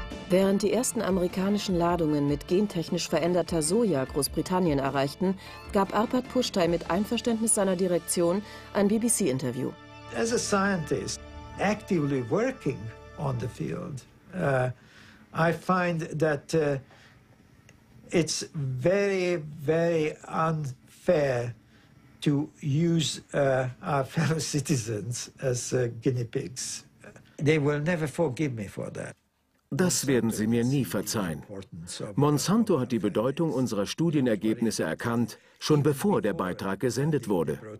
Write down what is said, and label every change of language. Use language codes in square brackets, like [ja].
[de] Während die ersten amerikanischen Ladungen mit gentechnisch veränderter Soja Großbritannien erreichten, gab Arpad Pushtai mit Einverständnis seiner Direktion ein BBC-Interview. [en] As a scientist actively working on the field, I find that it's very, very unfair to use our fellow citizens as guinea pigs. They will never forgive me for that. [de] Das werden Sie mir nie verzeihen. Monsanto hat die Bedeutung unserer Studienergebnisse erkannt, schon bevor der Beitrag gesendet wurde.